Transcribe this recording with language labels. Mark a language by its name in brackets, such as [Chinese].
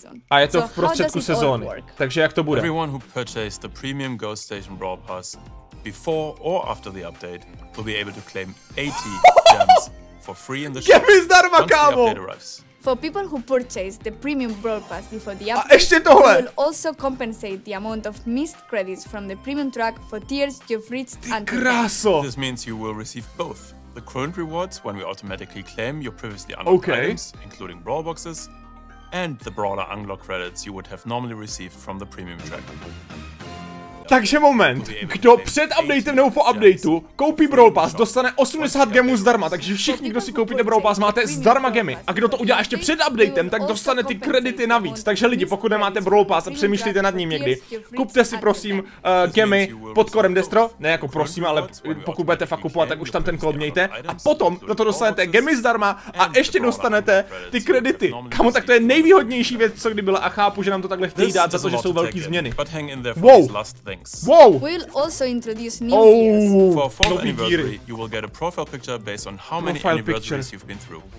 [Czech] A je to v prostředku sezóny, takže jak to bude? [English] Everyone who purchased the premium Ghost Station Brawl Pass before or after the update will be able to claim 80 gems. For free in the [Czech] shop. Zdarma, kámo. [English] For people who purchase the premium Brawl Pass before the update, [Czech] a ještě tohle. [English] You will also compensate the amount of missed credits from the premium track for tiers you've reached. [Czech] Ty kráso. [English] This means you will receive both the current rewards when we automatically claim your previously unlocked okay. items, including Brawl boxes, and the Brawler unlock credits you would have normally received from the premium track. [Czech] Takže moment, kdo před updatem nebo po updateu koupí Brawl Pass, dostane 80 gemů zdarma, takže všichni, kdo si koupíte Brawl Pass, máte zdarma gemy. A kdo to udělá ještě před updatem, tak dostane ty kredity navíc. Takže lidi, pokud nemáte Brawl Pass a přemýšlíte nad ním někdy, kupte si prosím gemy pod kódem Destro, ne jako prosím, ale pokud budete fakt kupovat, tak už tam ten kód mějte. A potom do toho dostanete gemy zdarma a ještě dostanete ty kredity. Kamo, tak to je nejvýhodnější věc, co kdy byla a chápu, že nám to takhle chtějí dát za to, že jsou velký změny. Wow. Wow. [English] We'll also introduce new gears. For our fourth anniversary, you will get a profile picture based on how many anniversaries you've been through.